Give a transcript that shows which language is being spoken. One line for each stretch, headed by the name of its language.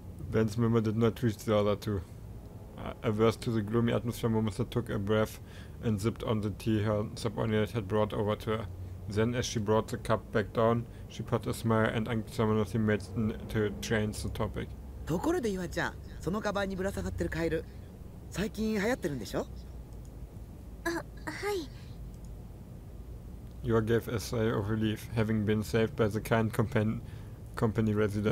English: Ben's memory did not reach the other two. Averse to the gloomy atmosphere, Momosa took a breath and sipped on the tea her subordinate had brought over to her. Then, as she brought the cup back down, she put a smile and unceremoniously made to change the topic.
Japanese: ところで、岩ちゃん、そのカバンにぶら下がってるカエル、最近流行ってるんでしょ？はい。
English: You gave a sigh of relief, having been saved by the kind company resident.